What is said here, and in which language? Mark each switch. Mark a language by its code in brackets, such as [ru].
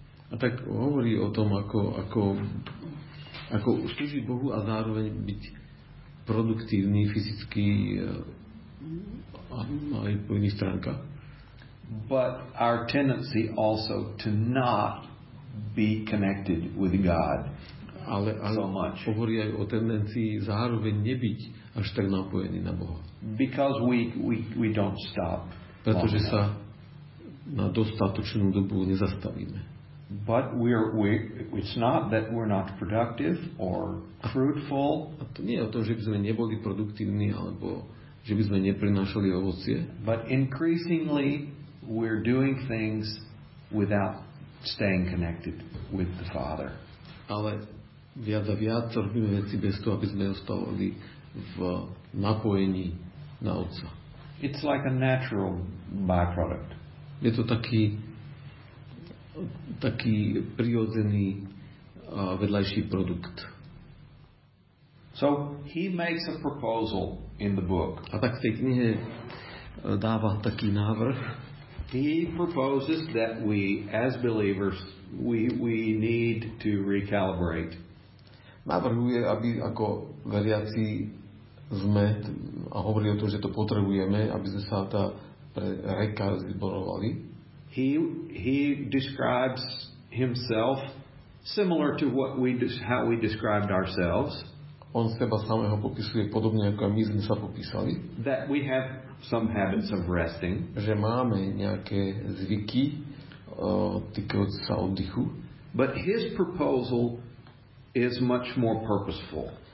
[sk] A tak hovorí o tom, ako slúžiť Bohu a zároveň byť produktívny fyzicky a po iných stránkach. [en] But our tendency also to not be connected with God. [sk] ale, ale [en] so much. [sk] Hovorí aj o tendencii zároveň nebyť až tak napojený na Boha. [en] Because we don't stop. [sk] Pretože sa na dostatočnú dobu nezastavíme. [en] But it's not that we're not productive or fruitful. [sk] A to nie je o tom, že by sme neboli produktívni alebo že by sme neprinášali ovocie. [en] But increasingly we're doing things without staying connected with the Father. [sk] Ale viac a viac robíme veci bez toho, aby sme ostali v napojení na Otca. [en] It's like a natural byproduct. [sk] Je to taký prirodzený vedľajší produkt. [en] So he makes a proposal in the book. [sk] A tak v tej knihe dáva taký návrh. [en] He proposes that we as believers we need to recalibrate. [sk] Navrhuje, aby ako veriaci sme a hovorí o tom, že to potrebujeme, aby sme sa tá rekalibrovali. [en] He describes himself similar to what how we described ourselves. [sk] On seba samého popisuje podobne ako my sme sa popísali. [en] That we have some habits of resting. [sk] Že máme nejaké zvyky týkajúce sa oddychu. [en] But his proposal is much more purposeful.